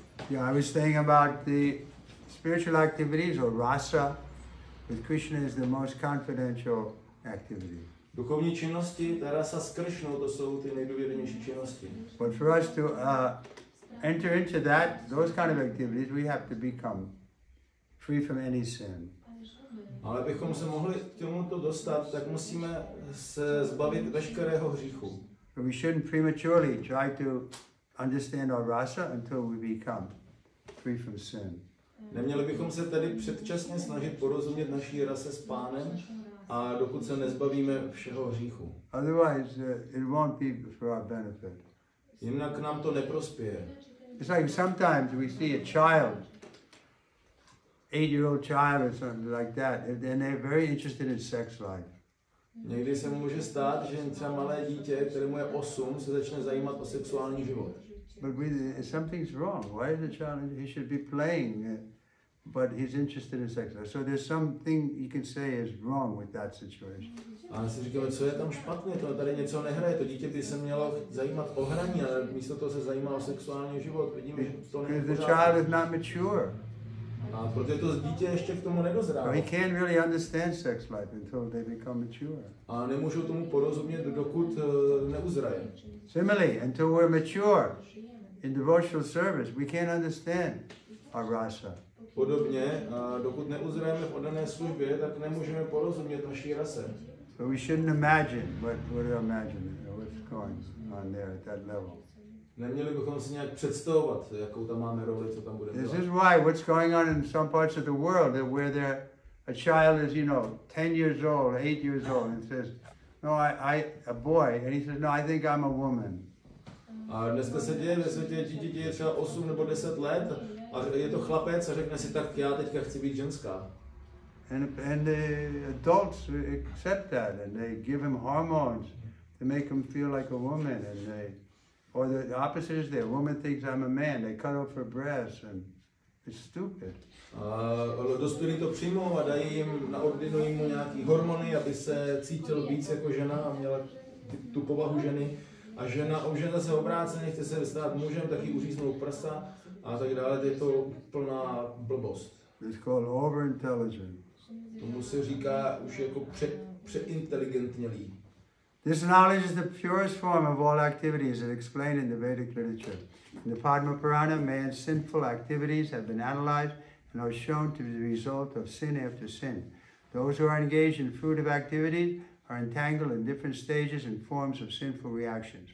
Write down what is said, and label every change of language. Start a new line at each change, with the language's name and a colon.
English: Yeah, I was saying about the spiritual activities or rasa with Krishna is the most confidential activity.
Czech: Duchovní činnosti, ta rasa s Krishnou, to jsou ty nejdůvěrnější činnosti.
English: But for us to enter into that, those kind of activities, we have to become free from any sin.
Czech: Ale abychom se mohli k tomuto dostat, tak musíme se zbavit veškerého hříchu.
English: So we shouldn't prematurely try to understand our rasa until we become free from sin.
Czech: Neměli bychom se tady předčasně snažit porozumět naší rase s pánem a dokud se nezbavíme všeho hříchu.
English: Otherwise, it won't be for our benefit.
Czech: Jinak nám to neprospěje.
English: It's like sometimes we see a child, 8-year-old child or something like that, and they're very interested in sex life.
Czech: Někdy se může stát, že třeba malé dítě, kterému je 8, se začne zajímat o sexuální život.
English: But something's wrong. Why is the child? He should be playing, but he's interested in sex. So there's something you can say is wrong with that situation.
Czech: A si říkáme, co je tam špatně? To tady něco nehraje. To dítě by se mělo zajímat o hraní, ale místo toho se zajímá o sexuální život. Vidíme, že to není.
English: The child is not mature.
Czech: A protože to dítě ještě k tomu nedozrálo.
English: He can't really understand sex life until they become mature.
Czech: A nemůžou tomu porozumět, dokud neuzraje.
English: Similarly, until we're mature in devotional service, we can't understand our rasa.
Czech: Podobně, dokud neuzrajeme v oddané službě, tak nemůžeme porozumět naší rase.
English: So we shouldn't imagine what we're imagining, what's going on there at that level.
Czech: Neměli bychom si nějak představovat, jakou tam máme roli, co tam bude.
English: This is why what's going on in some parts of the world that where there a child is, you know, 10 years old, 8 years old and says, "No, I a boy." And he says, "No, I think I'm a woman."
Czech: A dneska se děje ve světě, že dítě je třeba 8 nebo 10 let a je to chlapec a řekne si, tak já teďka chci být ženská.
English: And the adults accept that and they give him hormones to make him feel like a woman and they. Or the opposite is there. A woman thinks I'm a man. They cut off her breasts and is stupid.
Czech: Dospělí to přijmou a dají jim, naordinují mu nějaký hormony, aby se cítil víc jako žena a měla tu povahu ženy. A žena, obžena se obráceně, chce se stát mužem, tak jí uříznou prsa a tak dále. To je to plná blbost.
English: It's called overintelligence.
Czech: Tomu se říká už jako přeinteligentnělý.
English: This knowledge is the purest form of all activities as explained in the Vedic literature. In the Padma Purana, man's sinful activities have been analyzed and are shown to be the result of sin after sin. Those who are engaged in fruitive activities are entangled in different stages and forms of sinful reactions.